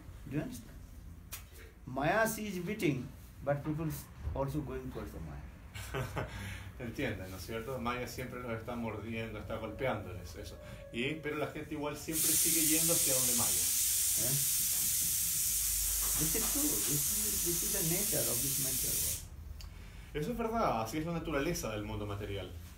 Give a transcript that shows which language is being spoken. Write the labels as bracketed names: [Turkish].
[English] You understand? Maya is beating. But people also going towards the Maya. [Spanish] Entienden, ¿no es cierto? Maya siempre los está mordiendo, está golpeándoles, eso. Y, pero la gente igual siempre sigue yendo hacia donde Maya. [English] This is the nature of this material world. [Spanish] Eso es verdad, así es la naturaleza del mundo material.